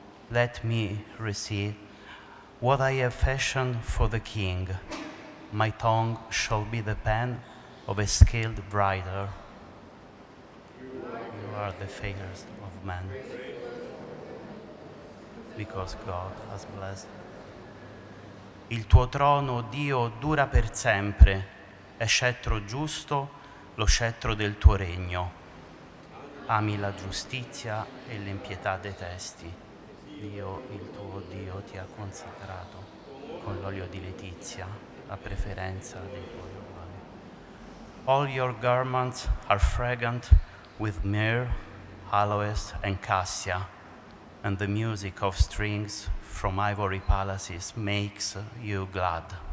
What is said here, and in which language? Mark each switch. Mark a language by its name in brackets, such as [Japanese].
[English] Let me receive what I have fashioned for the king. My tongue shall be the pen of a skilled writer. You are the fairest of men, because God has blessed. [Italian] Il tuo trono, Dio, dura per sempre. È scettro giusto, lo scettro del tuo regno. Ami la giustizia e l'impietà detesti. Dio, il tuo Dio, ti ha consacrato con l'olio di letizia, la preferenza dei tuoi uomini. [English] All your garments are fragrant with myrrh, aloes and cassia, and the music of strings from ivory palaces makes you glad.